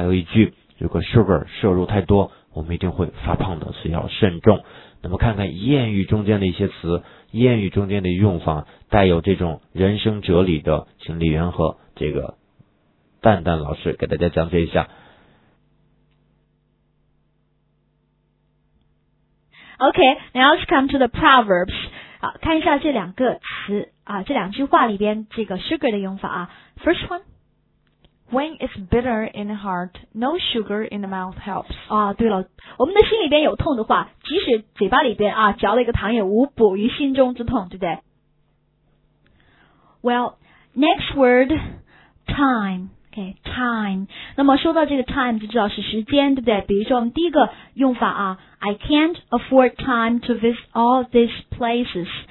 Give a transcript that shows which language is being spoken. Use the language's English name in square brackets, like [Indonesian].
[Chinese] 还有一句，如果 sugar 摄入太多，我们一定会发胖的，所以要慎重。那么看看谚语中间的一些词，谚语中间的用法带有这种人生哲理的，请李元和这个蛋蛋老师给大家讲解一下。 [English] OK, now let's come to the proverbs. [Chinese] 好，看一下这两个词这两句话里边这个 sugar 的用法啊。 [English] First one, when it's bitter in the heart, no sugar in the mouth helps. [Chinese] 啊，对了，我们的心里边有痛的话，即使嘴巴里边嚼了一个糖也无补于心中之痛，对不对？ [English] Well, next word, time. Okay, time. [Chinese] 那么说到这个 time 就知道是时间，对不对？比如说我们第一个用法 [English] I can't afford time to visit all these places.